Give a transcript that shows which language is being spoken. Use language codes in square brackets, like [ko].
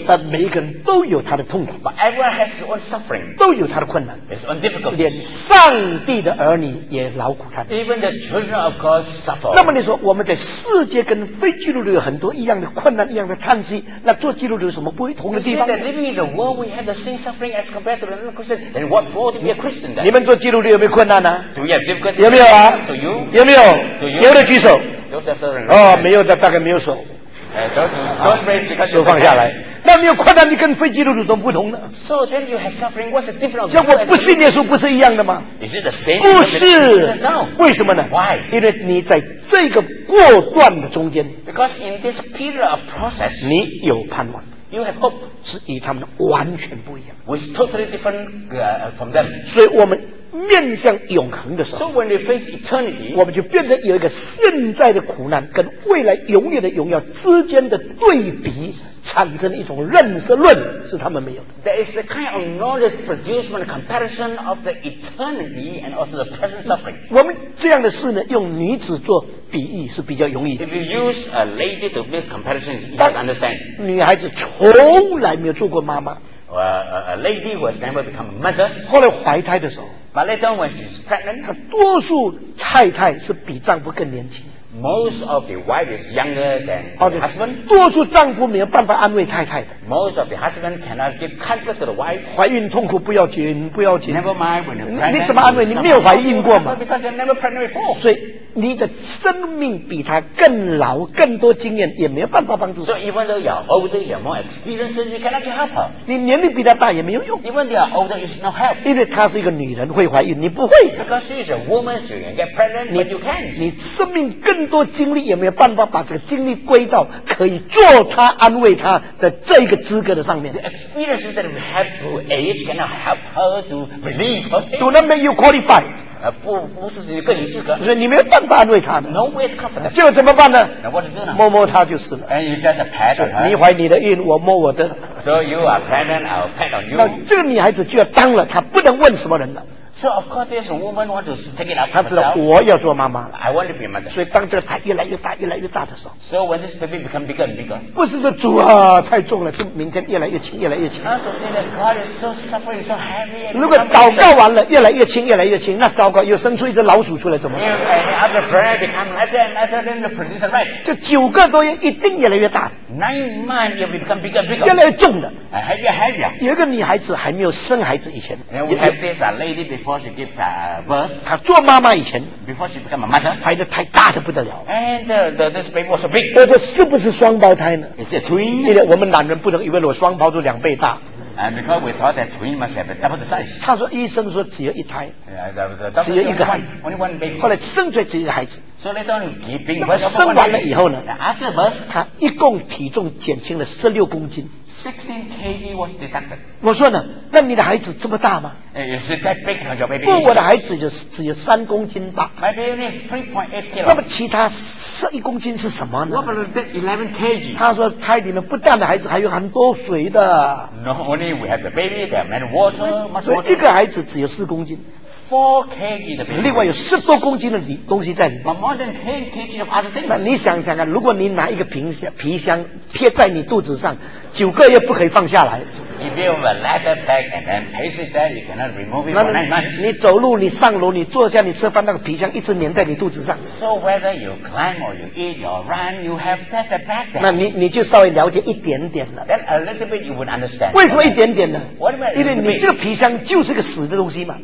[zh] 但每一个人都有他的痛苦。 [en] But everyone has his own suffering， [zh] 都有他的困难。 [en] It's own difficulty。 [zh] 连上帝的儿女也劳苦他。 [en] Even the children of God suffer。 [zh] 那么你说我们在世界跟非基督徒有很多一样的困难、一样的叹息，那做基督徒有什么不同的地方 [en] ？You see that living in the world we have the same suffering as compared to another Christian. Then what for to be a Christian then？ [zh] 你们做基督徒有没有困难呢、啊？ [en] Yeah, [zh] 有没有啊 [en] you? [zh] 有没有 [en] you? [zh] 有没有举手、 oh, 没有的大概没有手 [en] don't raise because [zh] 手放下来那没有困难你跟非基督徒怎么不同呢 [en] so then you have suffering what's the difference [zh] 像我不信耶稣不是一样的吗 [en] is it the same [zh] 不是 为什么呢 [en] why [zh] 因为你在这个过段的中间 [en] because in this period of process [zh] 你有盼望 [en] You have hope. [zh] 是与他们完全不一样 [en] Which is totally different from them. [zh] 所以我们面向永恒的时候 [en] So when we face eternity, [zh] 我们就变成有一个现在的苦难跟未来永远的荣耀之间的对比产生一种认识论是他们没有的 [en] There is a kind of knowledge produced from the comparison of the eternity and also the present suffering. [zh] 我们这样的事呢用女子做比喻是比较容易的 [en] If you use a lady to make comparison, you can understand. [zh] 女孩子从来没有做过妈妈 [en] A lady who has never become a mother. [zh] 后来怀胎的时候 [en] But later on when she's pregnant. [zh] 她多数太太是比丈夫更年轻的 [en] Most of the wife is younger than the husband. [zh] 多数丈夫没有办法安慰太太的。 [en] Most of the husband cannot give comfort to the wife. [zh] 怀孕痛苦不要紧，不要紧。 [en] Never mind when you're pregnant. [zh] 你怎么安慰？你没有怀孕过吗 [en] ？Because you're never pregnant before. [zh] 所以你的生命比他更老，更多经验，也没有办法帮助。 [en] So even though you're older, you're more experienced, you cannot help her. [zh] 你年龄比他大也没有用。 [en] Even though you're older, it's no help. [zh] 因为她是一个女人，会怀孕，你不会。 [en] Because she's a woman, she can get pregnant, but you can't. [zh] 你生命更多精力也没有办法把这个精力归到可以做他安慰他的这个资格的上面 [en] The experiences that we have through age cannot help her to relieve her pain Do not make you qualify [zh] 不是更及格。你没有办法安慰他的。 [en] No way to comfort him. [zh] 就怎么办呢？ [en] Now what to do now? [zh] 摸摸他就是了。 [en] And you just pat on her. [zh] 你怀你的孕，我摸我的。 [en] So you are pregnant, I'll pat on you. [zh] 那这个女孩子就要当了，她不能问什么人了。 [en] So of course, this woman wants to take it up herself. [zh] 她知道我要做妈妈。 [en] I want to be mother. [zh] 所以当这个胎越来越大、越来越大的时候。 [en] So when this baby becomes bigger and bigger. [zh] 不是说主啊太重了，就明天越来越轻、越来越轻。 [en] Not to say that God is so suffering, so heavy. [zh] 如果祷告完了，越来越轻、越来越轻，那糟糕，又生出一只老鼠出来怎么办 [en] ？If after prayer become lighter and lighter, then the produce a rat. [zh] 就九个多月一定越来越大。 [en] 9 months, it will become bigger and bigger. [zh] 越来越重的。 [en] Heavier, heavier. [zh] 有一个女孩子还没有生孩子以前。 [en] And we have this lady. Before she gave birth, [zh] 她做妈妈以前 [en] ，before she became a mother, [zh] 怀的胎大的不得了 [en] ，and this baby was so big. [zh] 我说是不是双胞胎呢 [en] ？Is it twin? [zh] 因为我们男人不能以为我双胞都两倍大。 [en] And because we thought that twin must have a double the size. [zh] 他说医生说只有一胎， [en] yeah, the [zh] 只有一个孩子 [en] ，only one baby. [zh] 后来生出来只有一个孩子。 [en] So they don't give birth. [zh] 生完了以后呢 [en] ？After birth, [zh] 他一共体重减轻了16公斤。 [en] 16 kg was deducted. [zh] 我说呢，那你的孩子这么大吗 [en] ？Is it that big? Your baby? [zh] 不，我的孩子就是只有3公斤大。 [en] My baby is 3.8 kg. [zh] 那么其他11公斤是什么呢 [en] ？What about the 11 kg? [zh] 他说胎里面不但的孩子还有很多水的。 [en] Not only we have the baby, there are many water, much water. [zh] 一个孩子只有4公斤。 [en] 4 kg [zh] 的 [en] baby. [zh] 另外有10多公斤的东西在里面。 [en] But more than 10 kg of other things. [zh] 那你想想看，如果你拿一个皮箱贴在你肚子上。九个月不可以放下来。 [en] If you have a leather bag and then place it there, you cannot remove it for 9 months. [zh] 你走路，你上楼，你坐下，你吃饭，那个皮箱一直粘在你肚子上。 [en] So whether you climb or you eat or run, you have leather bag. [zh] 那你就稍微了解一点点了。 [en] Then a little bit you would understand. [zh] 为什么一点点呢 [en] ？What about [zh] 因为你这个皮箱就是个死的东西嘛。